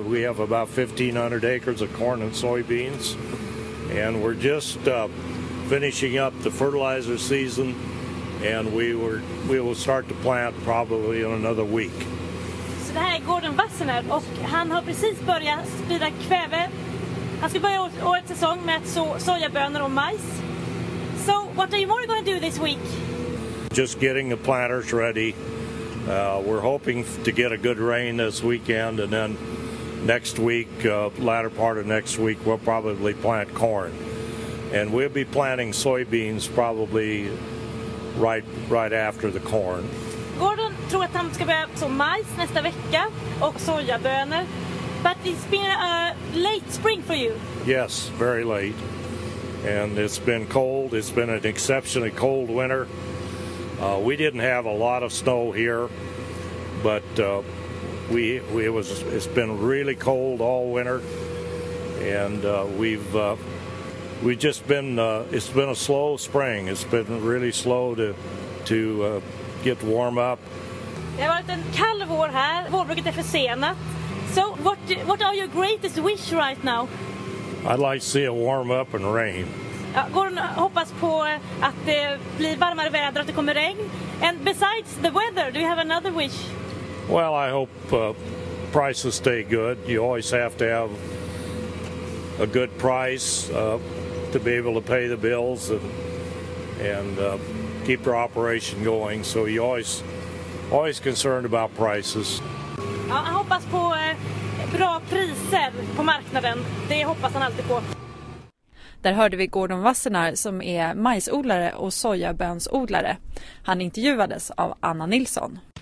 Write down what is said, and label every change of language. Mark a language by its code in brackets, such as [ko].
[en] We have about 1500 acres of corn and soybeans. And we're just finishing up the fertilizer season. And we will start to plant probably in another week. [sv] Så det här är Gordon Wassenaar och han har precis börjat sprida kväve. Han ska börja årets säsong med att så sojabönor och majs. [en] So what are you more going to do this week? Just getting the planters ready. We're hoping to get a good rain this weekend and then next week, latter part of next week, we'll probably plant corn. And we'll be planting soybeans probably right after the corn. [sv] Gordon tror att han ska börja så majs nästa vecka och sojabönor. [en] But it's been a late spring for you. Yes, very late. And it's been cold. It's been an exceptionally cold winter. We didn't have a lot of snow here, but it's been really cold all winter, and it's been a slow spring. It's been really slow to get warm up. [sv] Det har varit en kall vår här. Vårbruket är försenat. [en] So what are your greatest wish right now? I'd like to see a warm up and rain. [sv] Ja, Gordon hoppas på att det blir varmare väder, att det kommer regn. [en] And besides the weather, do you have another wish? Well, I hope prices stay good. You always have to have a good price to be able to pay the bills and keep your operation going. So you always concerned about prices. [sv] Ja, han hoppas på bra priser på marknaden. Det hoppas han alltid på. Där hörde vi Gordon Wassenaar som är majsodlare och sojabönsodlare. Han intervjuades av Anna Nilsson.